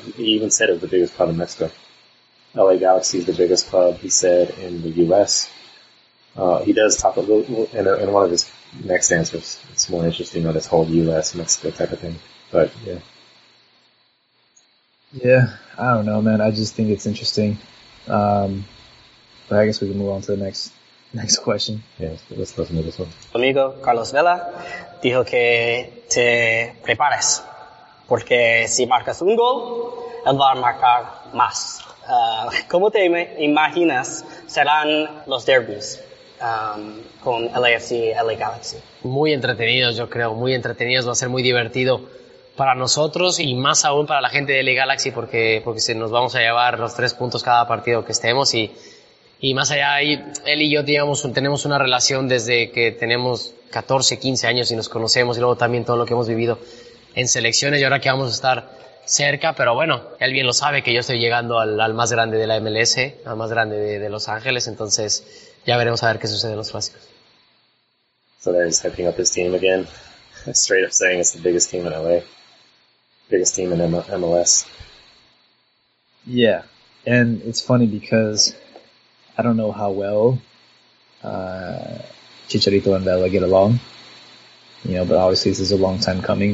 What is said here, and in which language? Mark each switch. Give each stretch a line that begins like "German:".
English: He even said it was the biggest club in Mexico. LA Galaxy is the biggest club, he said, in the U.S., he does talk a little in one of his next answers. It's more interesting on this whole U.S. Mexico type of thing. But yeah. Yeah, I don't know, man. I just think it's interesting. But I guess we can move on to the next question. Yeah, let's listen to this one.
Spanish: Amigo Carlos Vela dijo que te prepares porque si marcas un gol, él va a marcar más. ¿Cómo te imaginas serán los derbis? Con LAFC, LA Galaxy. Muy entretenidos, yo creo, muy entretenidos, va a ser muy divertido. para nosotros y más aún para la gente de LA Galaxy, porque se nos vamos a llevar los 3 puntos cada partido que estemos. Y más allá, él y yo tenemos una relación desde que tenemos 14, 15 años y nos conocemos, y luego también todo lo que hemos vivido en selecciones y ahora que vamos a estar cerca. Pero bueno, él bien lo sabe que yo estoy llegando al más grande de la MLS, al más grande de Los Ángeles, entonces ya veremos a ver qué sucede en los clásicos.
English: So there he's hyping up his team again, straight up saying it's the biggest team in LA, biggest team in MLS. Yeah, and it's funny because I don't know how well Chicharito and Vela get along, you know, but obviously this is a long time coming.